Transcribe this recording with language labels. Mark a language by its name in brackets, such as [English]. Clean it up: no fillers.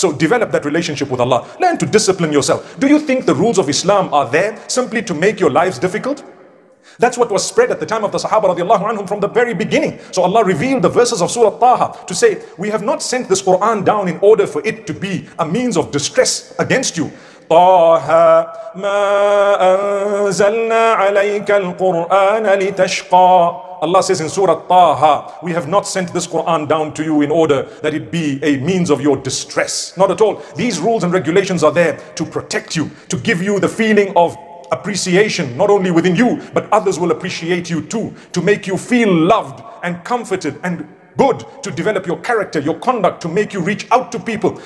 [English] So develop that relationship with Allah. Learn to discipline yourself. Do you think the rules of Islam are there simply to make your lives difficult? That's what was spread at the time of the Sahaba radiallahu anhum from the very beginning. So Allah revealed the verses of Surah Taha to say, we have not sent this Quran down in order for it to be a means of distress against you. [Arabic] طه ما أنزلنا عليك القرآن لتشقى. [English] Allah says in Surah Taha, we have not sent this Quran down to you in order that it be a means of your distress. Not at all. These rules and regulations are there to protect you, to give you the feeling of appreciation, not only within you, but others will appreciate you too, to make you feel loved and comforted and good, to develop your character, your conduct, to make you reach out to people.